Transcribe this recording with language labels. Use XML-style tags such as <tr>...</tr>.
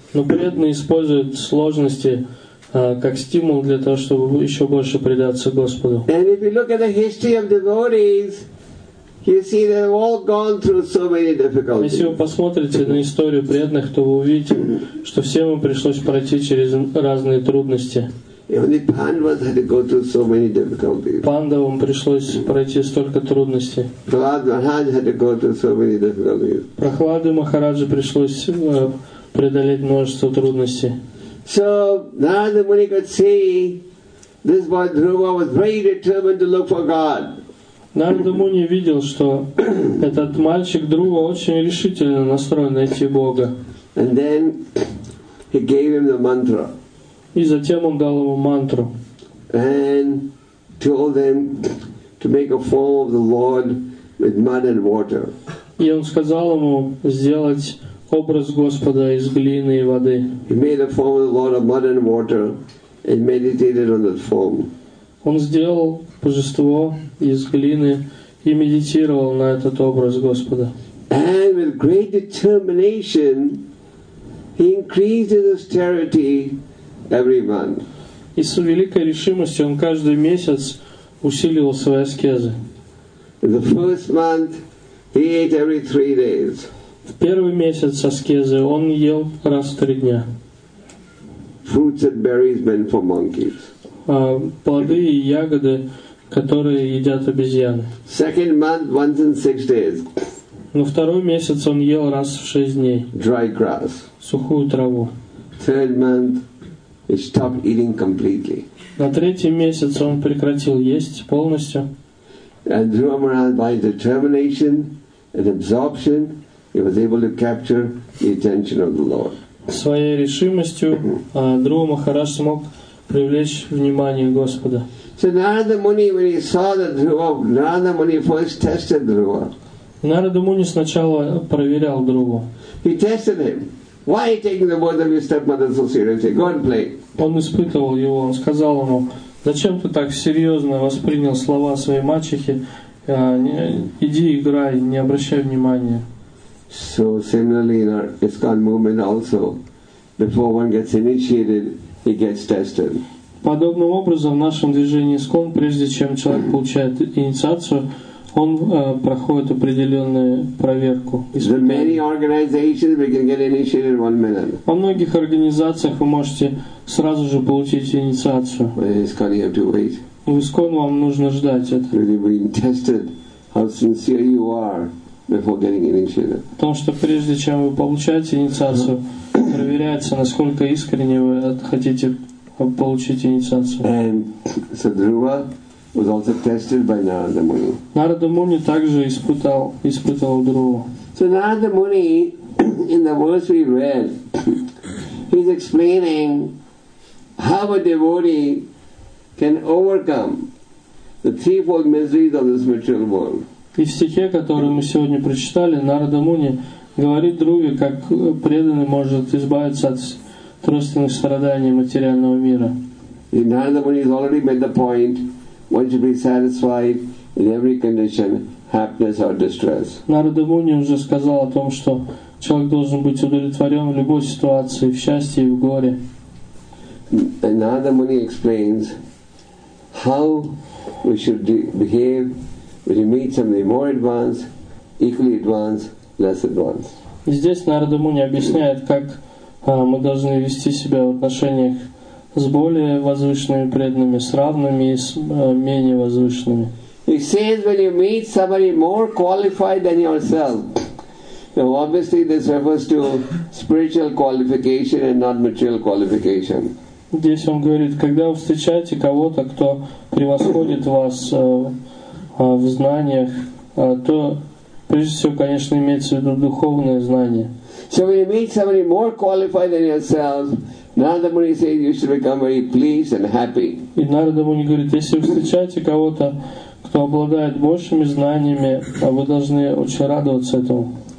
<ru>Но преданный использует сложности как стимул для того, чтобы еще больше предаться Господу.</ru> <en>And if you look at the history of devotees, you see they've all gone through so many difficulties.</en> <ru>Если вы посмотрите на историю преданных, то вы увидите, что всем им пришлось пройти через разные трудности.</ru> <en>Only Pandavas had to go through so many difficulties.</en> <ru>Пандавам пришлось пройти столько трудностей.</ru> <en>Prahlad Maharaj had to go through so many difficulties.</en> <ru>Прохладе Махараджи пришлось преодолеть множество трудностей.</ru> <en>So Narada Muni could see this boy Dhruva was very determined to look for God.</en> <ru>Нарада Муни видел, что этот мальчик Друва очень решительно настроен найти Бога.</ru> <en>And then he gave him the mantra.</en> <ru>И затем он дал ему мантру.</ru> <en>And told him to make a form of the Lord with mud and water.</en> <ru>И он сказал ему сделать образ Господа из глины и воды.</ru> <en>He made a form of the Lord of mud and water and meditated on that form.</en> <ru>Он сделал божество из глины и медитировал на этот образ Господа.</ru> <en>And with great determination, he increased his austerity every month.</en> <ru>И с великой решимостью он каждый месяц усиливал свои аскезы.</ru> <en>The first month, he ate every 3 days.</en> <ru>В первый месяц аскезы он ел раз в 3 дня.</ru> <en>Fruits and berries meant for monkeys.</en> <ru>Плоды и ягоды, которые едят обезьяны.</ru> <en>Second month, once in 6 days.</en> <ru>Но второй месяц он ел раз в 6 дней.</ru> <en>Dry grass.</en> <ru>Сухую траву.</ru> <en>Third month, he stopped eating completely.</en> <ru>На третий месяц он прекратил есть полностью.</ru> <en>And Dhruva Maharaj, by determination and absorption, he was able to capture the attention of the Lord.</en> <ru>Своей решимостью Дхрува Махарадж смог привлечь внимание Господа.</ru> <en>So Narada Muni, when he saw that Dhruva, Narada Muni first tested Dhruva.</en> <ru>Narada Muni сначала проверял Дhruva.</ru> <en>He tested him. Why are you taking the words of your stepmother so seriously? Go and play.</en> <ru>Он испытывал его, он сказал ему, зачем ты так серьезно воспринял слова своей мачехи? Иди играй, не обращай внимания.</ru> <en>So similarly in our ISKCON movement also, before one gets initiated, he gets tested.</en> <ru>Подобным образом в нашем движении ISKCON, прежде чем человек получает инициацию, он проходит определенную проверку.</ru> <en>The many organizations we can get initiated in 1 minute.</en> <ru>Во многих организациях вы можете сразу же получить инициацию.</ru> <en>But in ISKCON you have to wait.</en> <ru>В ISKCON вам нужно ждать это.</ru> <en>Really being tested, how sincere you are. Before getting initiated.</en> <ru>Потому что прежде чем вы получаете инициацию, проверяется, насколько искренне вы хотите получить инициацию.</ru> <en>And so Dhruva was also tested by Narada Muni.</en> <ru>Narada Muni также испытывал Dhruva.</ru> <en>So Narada Muni, in the verse we read, he's explaining how a devotee can overcome the threefold miseries of this material world.</en> <ru>И в стихе, который мы сегодня прочитали, Нарада Муни говорит Друве, как преданный может избавиться от тройственных страданий материального мира.</ru> <en>И Нарада Муни has already made the point, one should be satisfied in every condition, happiness or distress.</en> <ru>Нарада Муни уже сказал о том, что человек должен быть удовлетворен в любой ситуации, в счастье и в горе.</ru> <en>И Нарада Муни explains how we should behave. When you meet somebody more advanced, equally advanced, less advanced.</en> <ru>Здесь Нарада Муни объясняет, как мы должны вести себя в отношениях с более возвышенными преданными, с равными и с менее возвышенными.</ru> <en>He says, when you meet somebody more qualified than yourself, now obviously this refers to spiritual qualification and not material qualification.</en> <ru>Здесь он говорит, когда вы встречаете кого-то, кто превосходит вас в знаниях, то прежде всего, конечно, имеется в виду духовное знание.</ru> <en>So when you meet somebody more qualified than yourself, Narada Muni says you should become very pleased and happy.</en> <ru>И Нарада Муни говорит, если вы встречаете кого-то, кто обладает большими знаниями, вы должны очень радоваться этому.</ru>